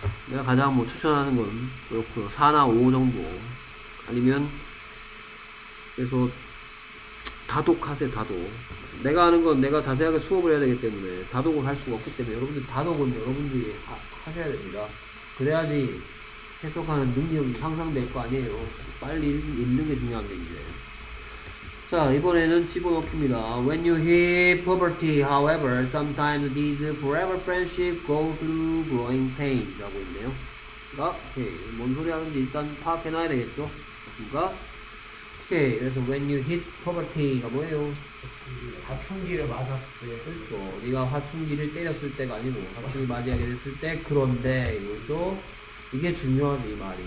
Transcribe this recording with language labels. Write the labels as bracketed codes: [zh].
[ko] 내가 가장 뭐 추천하는 건 그렇고요. 4나 5 정도. 아니면, 그래서 다독하세요, 다독. 내가 하는 건 내가 자세하게 수업을 해야 되기 때문에 다독을 할 수가 없기 때문에 여러분들 다독은 여러분들이 하셔야 됩니다. 그래야지 해석하는 능력이 향상될 거 아니에요. 빨리 읽는 게 중요한 게 이제. 자, 이번에는 집어넣기입니다. [en] When you hit puberty, however, sometimes these forever friendships go through growing pains. [ko] 하고 있네요. 자, 오케이. 뭔 소리 하는지 일단 파악해놔야 되겠죠? 맞습니까? 오케이. 그래서 [en] when you hit puberty [ko] 가 뭐예요? 사춘기를 맞았을 때. 그렇죠. 네가 사춘기를 때렸을 때가 아니고, 사춘기 맞이하게 됐을 때, 그런데, 이거죠? 이게 중요하지, 이 말이.